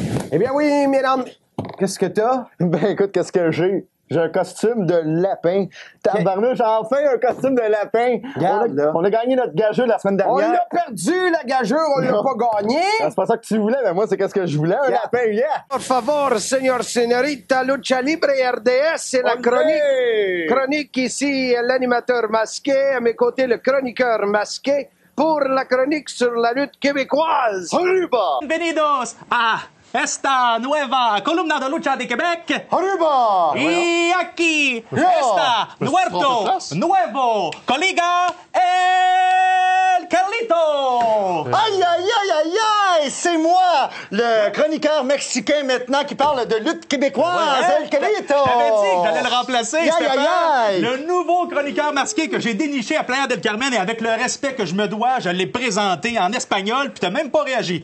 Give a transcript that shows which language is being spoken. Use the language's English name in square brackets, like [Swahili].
[French] Eh bien oui, mesdames, qu'est-ce que t'as? Ben écoute, qu'est-ce que j'ai? J'ai un costume de lapin. Tabarnouche, enfin un costume de lapin. Garde, on a gagné notre gageure la semaine dernière. On l'a perdu, la gageure, on l'a pas gagné. Ben, c'est pas ça que tu voulais, mais moi, c'est qu'est-ce que je voulais, un lapin, yeah. [Spanish] Por favor, señor señorita, lucha libre RDS, [French] c'est la chronique. Chronique ici, l'animateur masqué, à mes côtés, le chroniqueur masqué, pour la chronique sur la lutte québécoise. [Spanish] Arriba! Bienvenidos à... Esta nueva columna de lucha de Québec. Arriba! Y aquí está nuestro nuevo colega, el Carlito! Aïe, aïe, aïe, aïe, aïe! [French] C'est moi, le chroniqueur mexicain maintenant qui parle de lutte québécoise, el Carlito! J'avais dit que j'allais le remplacer, Stéphane. Aïe, aïe, aïe! Le nouveau chroniqueur masqué que j'ai déniché à Playa del Carmen et avec le respect que je me dois, je l'ai présenté en espagnol puis t'as même pas réagi.